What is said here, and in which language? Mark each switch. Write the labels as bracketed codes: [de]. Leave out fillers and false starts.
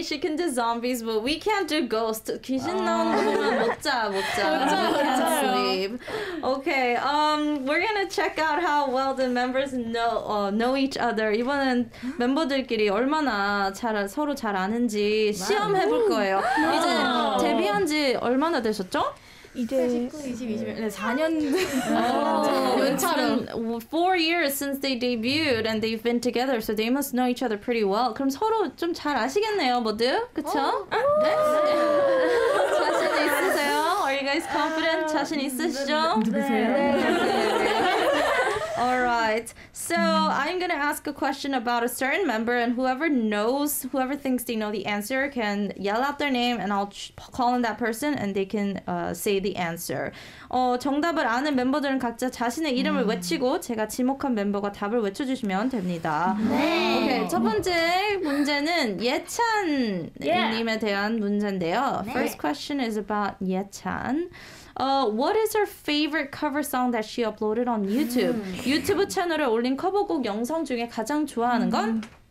[en] She can do zombies, but we can't do ghosts. [ko] 귀신 나오는 거는 못 자. [en] Can't sleep. Okay. We're gonna check out how well the members know each other. [ko] 이번엔 멤버들끼리 얼마나 서로 잘 아는지 시험해 볼 거예요. 이제 데뷔한 지 얼마나 되셨죠? [en] 4 years since they debuted and they've been together, so they must know each other pretty well. [ko] 그럼 서로 좀 잘 아시겠네요, 모두? 그쵸? 자신 있으세요? [en] Are you guys confident? [ko] 자신 있으시죠? 누구세요? [en] Alright, so I'm gonna ask a question about a certain member and whoever thinks they know the answer can yell out their name and I'll call on that person and they can say the answer. [ko] 정답을 아는 멤버들은 각자 자신의 이름을 외치고 제가 지목한 멤버가 답을 외쳐주시면 됩니다. 네. 오케이, 첫 번째 문제는 예찬 님에 대한 문제인데요. [en] 네. First question is about 예찬. What is her favorite cover song that she uploaded on YouTube? [ko] 유튜브 채널에 올린 커버곡 영상 중에 가장 좋아하는 건?